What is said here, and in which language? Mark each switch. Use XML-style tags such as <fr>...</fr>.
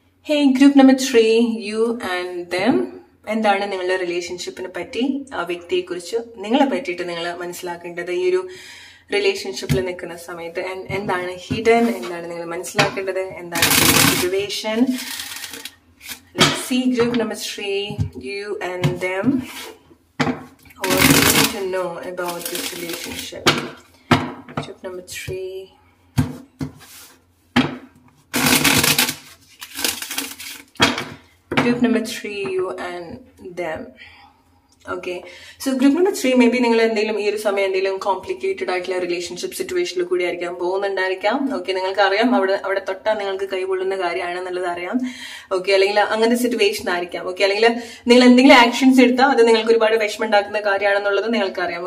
<en>hey group number three, you and them,</en> <ml>എന്താണ് നിങ്ങളുടെ റിലേഷൻഷിപ്പിനെ പറ്റി, ആ വ്യക്തിയെ കുറിച്ച് നിങ്ങളെ പറ്റിയിട്ട് നിങ്ങൾ മനസ്സിലാക്കേണ്ടത് ഈ ഒരു റിലേഷൻഷിപ്പിൽ നിൽക്കുന്ന സമയത്ത്? ആൻഡ് എന്താണ് ഹിഡൻ, എന്താണ് നിങ്ങൾ മനസ്സിലാക്കേണ്ടത്, എന്താണ് situation?</ml> <en>See group number three, you and them, what do you know about this relationship? Group number 3, group number 3, you and them.</en> <ml>Okay, so group number three, may be നിങ്ങൾ എന്തെങ്കിലും ഈ ഒരു സമയം എന്തെങ്കിലും കോംപ്ലിക്കേറ്റഡ് ആയിട്ടുള്ള റിലേഷൻഷിപ്പ് സിറ്റുവേഷനിൽ കൂടി ആയിരിക്കാം പോകുന്നുണ്ടായിരിക്കാം. ഓക്കെ, നിങ്ങൾക്കറിയാം അവിടെ തൊട്ടാ നിങ്ങൾക്ക് കൈകൊള്ളുന്ന കാര്യമാണ് എന്നുള്ളത് അറിയാം. ഓക്കെ, അല്ലെങ്കിൽ അങ്ങനത്തെ സിറ്റുവേഷൻ ആയിരിക്കാം. ഓക്കെ, അല്ലെങ്കിൽ നിങ്ങൾ എന്തെങ്കിലും ആക്ഷൻസ് എടുത്താൽ അത് നിങ്ങൾക്ക് ഒരുപാട് വിഷമം ഉണ്ടാക്കുന്ന കാര്യമാണെന്നുള്ളത് നിങ്ങൾക്കറിയാം.</ml>